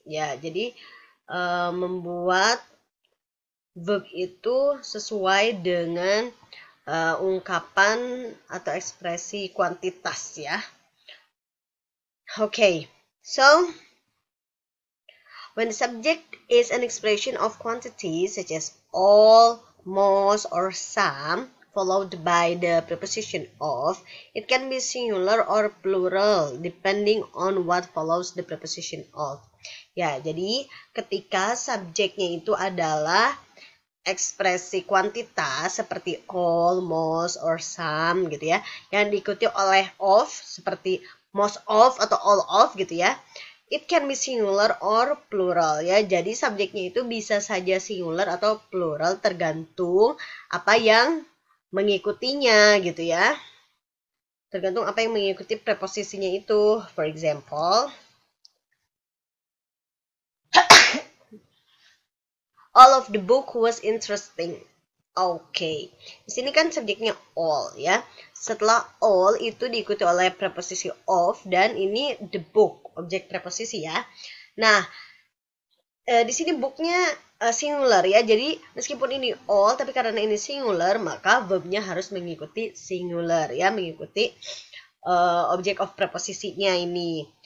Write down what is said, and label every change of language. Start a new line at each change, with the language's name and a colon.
Indonesian: Ya, jadi membuat verb itu sesuai dengan ungkapan atau ekspresi kuantitas ya.
English: Okay, so when the subject is an expression of quantity such as all, most, or some, followed by the preposition of, it can be singular or plural depending on what follows the preposition of.
Indonesian: Ya, jadi ketika subjeknya itu adalah ekspresi kuantitas seperti all, most, or some gitu ya, yang diikuti oleh of seperti most of atau all of gitu ya,
English: it can be singular or plural
Indonesian: ya. Jadi subjeknya itu bisa saja singular atau plural tergantung apa yang mengikutinya gitu ya. Tergantung apa yang mengikuti preposisinya itu.
English: For example, all of the book was interesting.
Indonesian: Okay. Di sini kan subjeknya all ya. Setelah all itu diikuti oleh preposisi of dan ini the book, objek preposisi ya. Nah, di sini booknya singular ya. Jadi meskipun ini all tapi karena ini singular maka verbnya harus mengikuti singular ya, mengikuti object of preposisinya ini.